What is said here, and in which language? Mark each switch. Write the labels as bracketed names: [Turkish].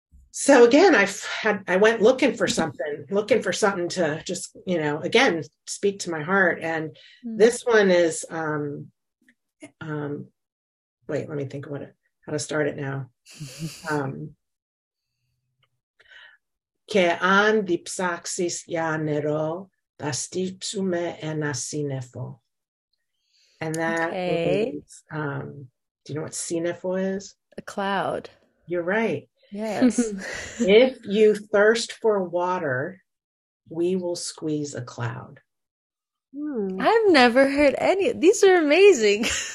[English] So again, I went looking for something to just, you know, again, speak to my heart. And this one is, wait, let me think of how to start it now. [Greek] Και αν διψάξεις για νερό, θα στύψουμε ένα σύννεφο. [English] And that is, do you know what σύννεφο is? A cloud. You're right. Yes. If you thirst for water, we will squeeze a cloud. I've never heard any. These are amazing.